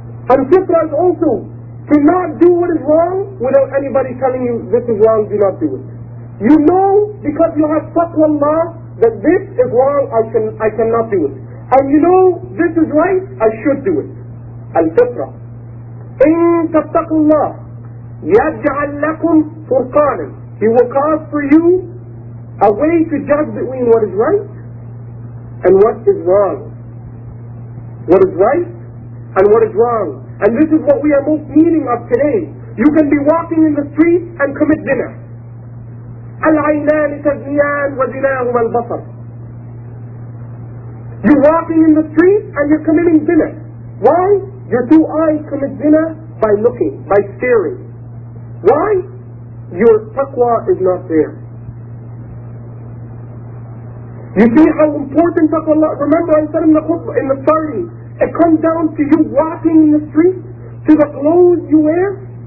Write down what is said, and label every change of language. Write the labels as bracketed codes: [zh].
[en] And fitra is also to not do what is wrong without anybody telling you this is wrong, do not do it. You know because you have taqwallah that this is wrong, I cannot do it. And you know this is right, I should do it. [ar] الفطرة. إن تتقوا الله يجعل لكم فرقانا. [en] He will cause for you a way to judge between what is right and what is wrong. What is right and what is wrong. And this is what we are most meaning of today. You can be walking in the street and commit zina. [ar] العينان تزنيان وزناهما البصر. [en] You're walking in the street and you're committing zina. Why? Your two eyes commit zina by looking, by staring. Why? Your taqwa is not there. You see how important taqwa Allah. Remember I said in the khutbah, in the sari, it comes down to you walking in the street, to the clothes you wear.